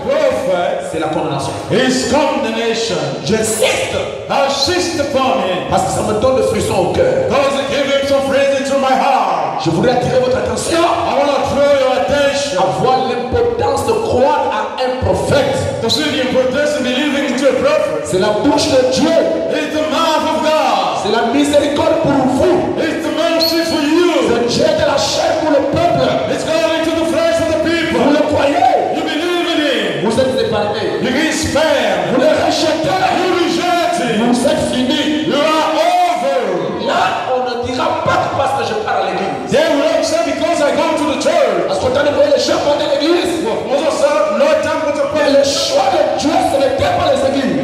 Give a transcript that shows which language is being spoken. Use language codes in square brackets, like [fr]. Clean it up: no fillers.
[en] a prophet, [fr] c'est la condamnation. [en] His condemnation. [fr] J'insiste. [en] I insist upon it. [fr] Parce que ça me donne le frisson au cœur. [en] Because it gives me some frisson to my heart. [fr] Je voudrais attirer votre attention. [en] I want to draw your attention. [fr] À voir l'importance de croire à un prophète. [en] To see the importance of believing into a prophet. [fr] C'est la bouche de Dieu. [en] It's the mouth of God. [fr] C'est la miséricorde pour vous. [en] It's the mercy for you. [fr] C'est de la chair pour le peuple. [en] It's going into the flesh of the people. [fr] Vous le croyez? [en] You believe in him. [fr] Vous êtes épargné. [en] You be spared. [fr] Vous le rejetez. [en] You reject it. [fr] Vous êtes fini. [en] You are over. [fr] Là, on ne dira pas parce que je pars à l'église. [en] They will not say because I go to the church. [fr] Parce que t'as le droit de chercher dans l'église. Mais on sait, le temps que tu prends. Mais le choix de Dieu, ce n'était pas les églises.